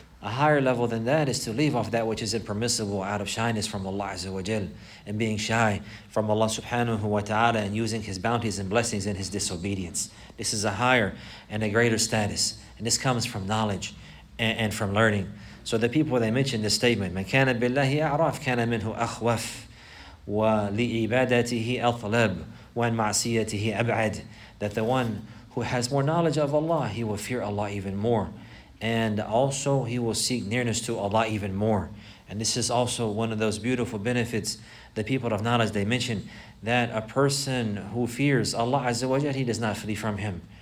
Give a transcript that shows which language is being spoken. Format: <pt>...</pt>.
<en>A higher level than that is to leave off that which is impermissible out of shyness from Allah Azza wa Jal, and being shy from Allah Subhanahu wa Ta'ala, and using His bounties and blessings in His disobedience. This is a higher and a greater status, and this comes from knowledge and from learning. So the people, they mentioned this statement,</en> <ar>مَنْ كَانَ بِاللَّهِ أَعْرَفْ كَانَ مِنْهُ أَخْوَفْ وَلِعِبَادَتِهِ أَطْلَبْ وَنْ مَعْسِيَتِهِ أَبْعَدْ.</ar> <en>That the one who has more knowledge of Allah, he will fear Allah even more, and also he will seek nearness to Allah even more. And this is also one of those beautiful benefits the people of knowledge, they mention, that a person who fears Allah Azza wa Jalla, he does not flee from Him.</en>